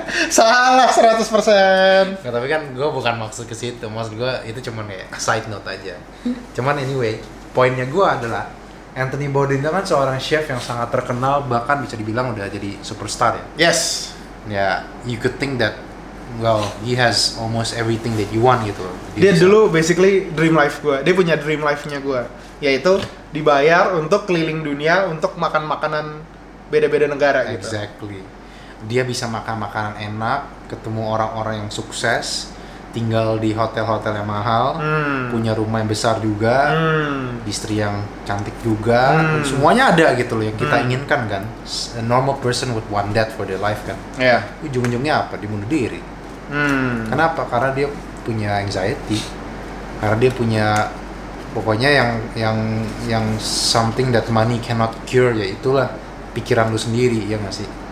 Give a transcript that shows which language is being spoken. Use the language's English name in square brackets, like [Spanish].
[Indonesian] Salah 100%. Nah, tapi kan gue bukan maksud ke situ. Maksud gue itu cuma kayak side note aja. Cuman anyway, poinnya gue adalah Anthony Bourdain kan seorang chef yang sangat terkenal, bahkan bisa dibilang udah jadi superstar ya. [English] Yes. Ya, yeah, you could think that, well, he has almost everything that you want [Indonesian] gitu. Dia dulu [English] basically dream life [Indonesian] gue. Dia punya dream life-nya gue, yaitu dibayar untuk keliling dunia untuk makan makanan beda-beda negara gitu. [English] Exactly. [Indonesian] Dia bisa makan makanan enak, ketemu orang-orang yang sukses, tinggal di hotel-hotel yang mahal, punya rumah yang besar juga, istri yang cantik juga, semuanya ada gitu loh yang kita inginkan kan. [English] A normal person would want that for their life [Indonesian] kan. [English] Yeah. [Indonesian] Ujung-ujungnya apa? Dibunuh diri. Kenapa? Karena dia punya anxiety, karena dia punya pokoknya yang [English] something that money cannot cure, [Indonesian] ya itulah pikiran lu sendiri, ya nggak sih?